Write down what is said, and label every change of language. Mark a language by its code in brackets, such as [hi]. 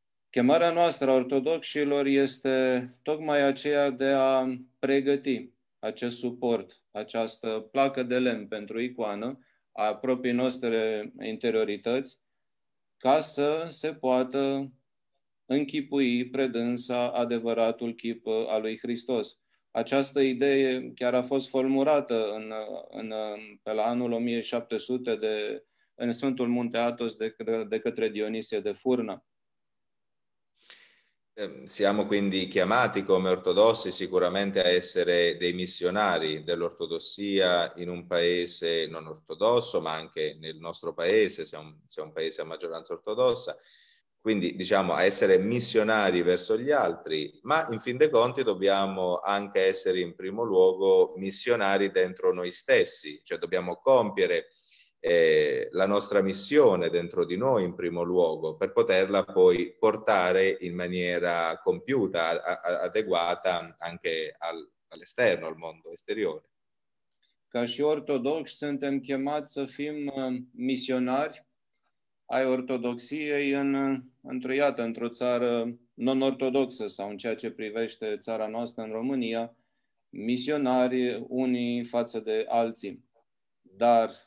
[ro] Chemarea noastră a ortodoxilor este tocmai aceea de a pregăti acest suport, această placă de lemn pentru icoană, a proprii noastre interiorități, ca să se poată închipui predânsa adevăratul chip al lui Hristos. Această idee chiar a fost formulată pe la anul 1700 în Sfântul Munte Athos de către Dionisie de Furna. [it] Siamo quindi chiamati come ortodossi sicuramente a essere dei missionari dell'ortodossia in un paese non ortodosso, ma anche nel nostro paese, se è un paese a maggioranza ortodossa, quindi diciamo a essere missionari verso gli altri, ma in fin dei conti dobbiamo anche essere in primo luogo missionari dentro noi stessi, cioè dobbiamo compiere la nostra missione dentro di noi in primo luogo per poterla poi portare in maniera compiuta, adeguata anche all'esterno, al mondo esteriore. [ro] Ca și ortodoxi suntem chemați să fim misionari ai ortodoxiei într-o țară non-ortodoxă sau în ceea ce privește țara noastră în România, misionari unii față de alții. Dar